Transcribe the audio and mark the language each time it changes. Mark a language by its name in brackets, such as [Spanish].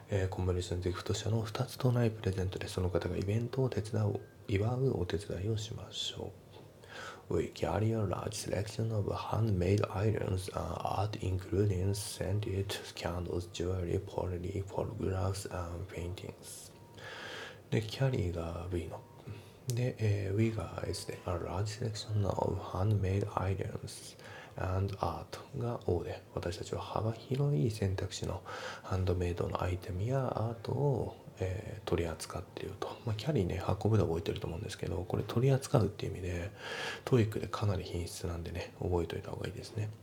[English] commemorations gift [Japanese] 社の2つとないプレゼントで、その方がイベントを手伝う、祝うお手伝いをしましょう。 [English] We carry a large selection of handmade items and art, including scented candles, jewelry, pottery, photographs, and paintings. [Japanese] で、carry が V の。で、We が S で、 [English] a large selection of handmade items and art [Japanese] が O で、私たちは幅広い選択肢のハンドメイドのアイテムやアートを取り扱っていると、まあ、キャリーね運ぶで覚えてると思うんですけど、これ取り扱うっていう意味でトイックでかなり品質なんでね覚えておいた方がいいですね。